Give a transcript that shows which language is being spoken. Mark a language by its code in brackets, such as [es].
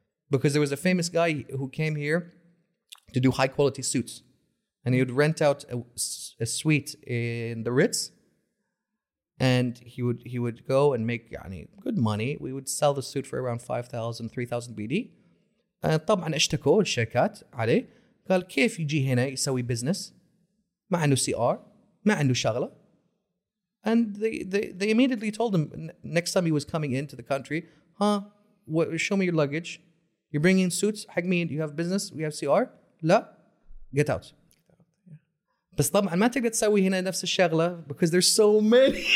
[en] Because there was a famous guy who came here to do high quality suits. And he would rent out a suite in the Ritz. And he would go and make يعني, good money. We would sell the suit for around 5,000, 3,000 BD. [ar] طبعا اشتكوا الشركات عليه. قال كيف يجي هنا يسوي بزنس؟ ما عنده CR. ما عنده شغلة. [en] And they immediately told him next time he was coming into the country, huh, what, show me your luggage. You're bringing suits. [ar] حق مين, [en] you have business. We have CR. لا. Get out. [ar] بس طبعا ما تقدر تسوي هنا نفس الشغلة [en] because there's so many.